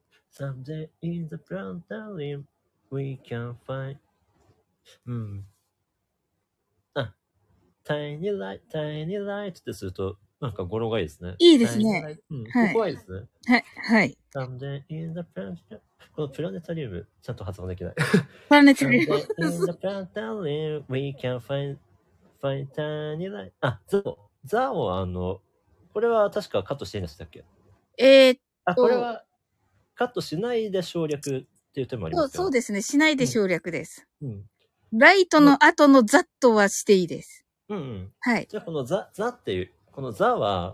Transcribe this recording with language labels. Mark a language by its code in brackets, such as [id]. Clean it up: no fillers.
[en] Someday in the planetariumWe can find, [ja] うん。あ、 [en] tiny light, tiny light [ja] ってすると、なんか語呂がいいですね。いいですね。うん、はい、怖いですね。はい、はい。 [en] Someday in the planetarium, [ja] このプラネタリウム、ちゃんと発音できない。プラネタリウム。 [en] in the planetarium, we can find tiny light. [ja] あ、ザオ。ザオ、これは確かカットしていいんでしたっけ？あ、これはカットしないで省略。そうですね、しないで省略です、うん、ライトの後のザッとはしていいです、うんうん、はい、じゃあこのザザっていうこのザは、